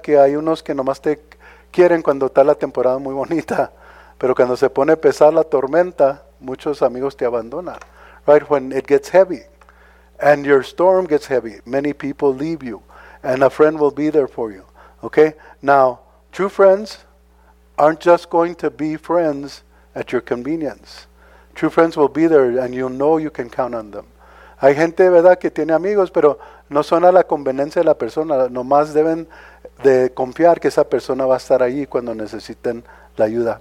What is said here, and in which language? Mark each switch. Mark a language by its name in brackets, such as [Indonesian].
[Spanish] Que hay unos que nomás te quieren cuando está la temporada muy bonita. Pero cuando se pone pesada la tormenta, muchos amigos te abandonan. [English] Right? When it gets heavy. And your storm gets heavy. Many people leave you. And a friend will be there for you. Okay? Now, true friends aren't just going to be friends at your convenience. True friends will be there and you know you can count on them. [Spanish] Hay gente, ¿verdad? Que tiene amigos, pero no son a la conveniencia de la persona. Nomás deben de confiar que esa persona va a estar ahí cuando necesiten la ayuda.